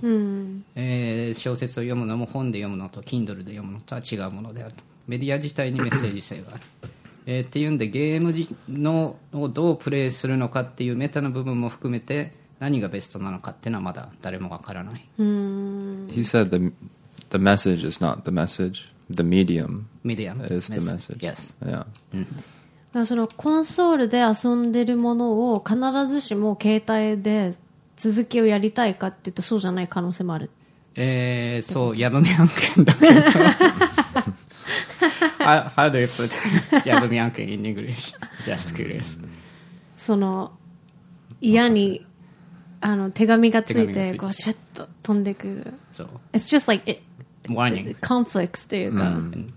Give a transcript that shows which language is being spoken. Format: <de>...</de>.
<ja>うん、小説を読むのも本で読むのと Kindle で読むのとは違うものである、メディア自体にメッセージ性がある、っていうんで、ゲームのをどうプレイするのかっていうメタの部分も含めて何がベストなのかっていうのはまだ誰もわからない。</ja> <en>He said the message is not the message. The medium is the message. Yes. Yeah.</en> <ja>そのコンソールで遊んでるものを必ずしも携帯で続きをやりたいかっていうとそうじゃない可能性もある。そう、ヤブミアン君だけど。</ja> <en>How do you put ヤブミアン君 in English? Just curious.</en> <ja>その嫌に。あの手紙がついてこうシュッと飛んでくる。そう。</ja> <en>It's just like warning,</en> <ja>conflicts というか、mm.</ja>